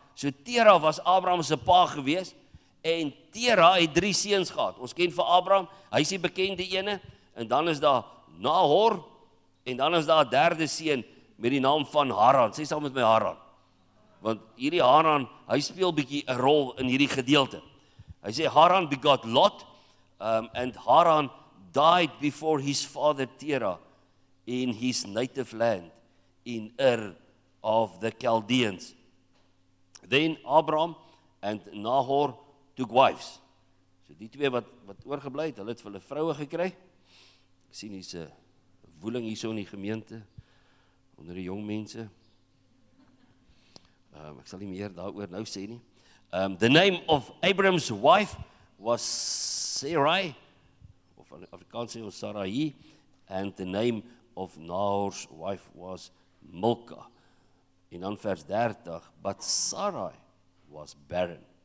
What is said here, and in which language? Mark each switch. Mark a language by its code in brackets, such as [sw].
[af] So Terah was Abraham se pa gewees en Terah het 3 seuns gehad. Ons ken vir Abraham, hy is die bekende ene en dan is daar Nahor. En dan is daar 'n derde seun met die naam van Haran. Sê saam met my Haran. Want hierdie Haran, hy speel bietjie 'n rol in hierdie gedeelte. Hy sê [en] Haran begot Lot, and Haran died before his father Terah in his native land in Ur of the Chaldeans. Then Abraham and Nahor took wives. [af] So die twee wat oorgebly het, hulle het hulle vroue gekry. Ek sien hier 'n woeling hierso in die gemeente onder die jong mense. Ek sal nie meer daaroor nou sê nie. [en] The name of Abram's wife was Sarai, [af] of in Afrikaans sê ons Sarai, [en] and the name of Nahor's wife was Milka. [af] En dan vers 30, [en] but Sarai was barren.